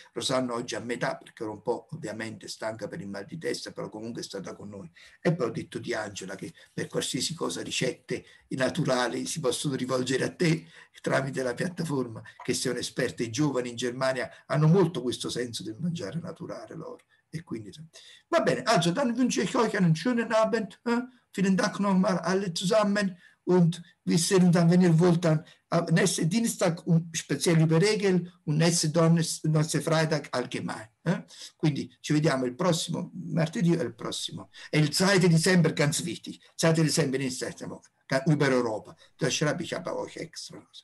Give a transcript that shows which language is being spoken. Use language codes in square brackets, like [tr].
[it] Rosanna oggi a metà, perché era un po' ovviamente stanca per il mal di testa, però comunque è stata con noi. E poi ho detto di Angela che per qualsiasi cosa, ricette naturali, si possono rivolgere a te tramite la piattaforma, che sei un'esperta. I giovani in Germania hanno molto questo senso del mangiare naturale loro. E quindi va bene, [de] also dann wünsche ich euch einen schönen Abend, vielen Dank nochmal alle zusammen. Und wir sehen uns dann, wenn ihr wollt, dann nächsten Dienstag speziell über Regel und nächsten Freitag allgemein. [it] Quindi ci vediamo il prossimo martedì e il prossimo. E il [de] 2. Dezember, ganz wichtig, 2. Dezember in Stettenburg, über Europa. Das schreibe ich aber euch extra.